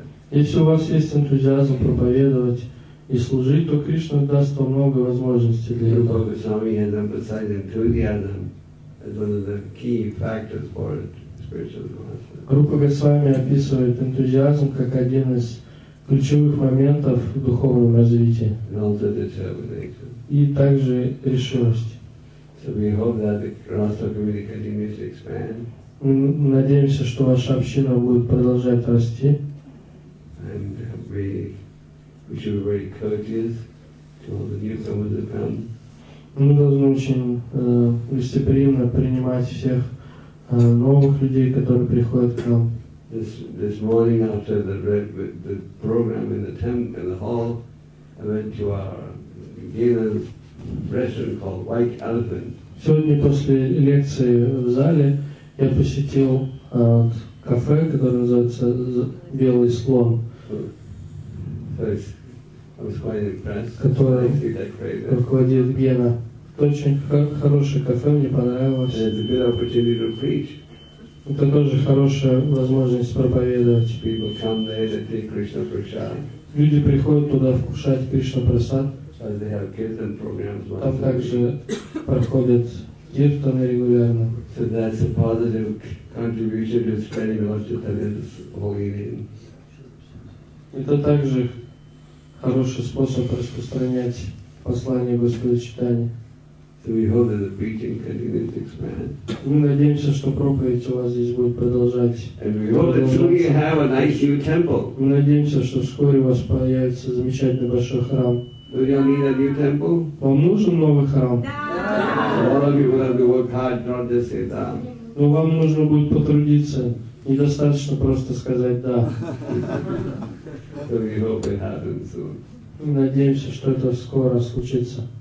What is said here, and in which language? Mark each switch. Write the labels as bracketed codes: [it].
[ru] Если у вас есть энтузиазм проповедовать и служить, то Кришна даст вам много возможностей для этого. [en] Swami has emphasized enthusiasm as one of the key factors for spiritual advancement. [ru] Rupa Goswami описывает энтузиазм как один из ключевых моментов в духовном развитии. [en] And also determination. [ru] И также решимость. [en] So we hope that the Rastra community continues to expand. [ru] Мы надеемся, что ваша община будет продолжать расти. [en] And we should be very courteous to all the newcomers that come. [ru] Мы должны очень гостеприимно принимать всех новых людей, которые приходят к нам. [en] This morning after the program in the temple, in the hall, I went to our Gila restaurant called White Elephant. [ru] Сегодня после лекции в зале я посетил кафе, которое называется Белый Слон. Который руководит Гена. Это очень хорошее кафе, мне понравилось. [en] And it's a good opportunity to preach. [ru] Это тоже хорошая возможность проповедовать. [en] People come there to take Krishna prasad. [ru] Люди приходят туда вкушать Кришна прасад. [en] As they have kirtan programs. [ru] Там также проходят киртаны регулярно. [en] So that's a positive contribution to spreading Lord Chaitanya's holy name. [ru] Это также хороший способ распространять послание Господа Читания. [en] So we hope that the preaching continues to expand. [ru] Мы надеемся, что проповедь у вас здесь будет продолжать. [en] And we hope that soon you have a nice new temple. [ru] Мы надеемся, что вскоре у вас появится замечательный большой храм. [en] Do you need a new temple? [ru] Вам нужен новый храм? Да! [en] All of you will have to work hard, not just say that. [ru] Но вам нужно будет потрудиться. Недостаточно просто сказать «да». [en] So we hope it happens soon. [ru] Надеемся, что это скоро случится.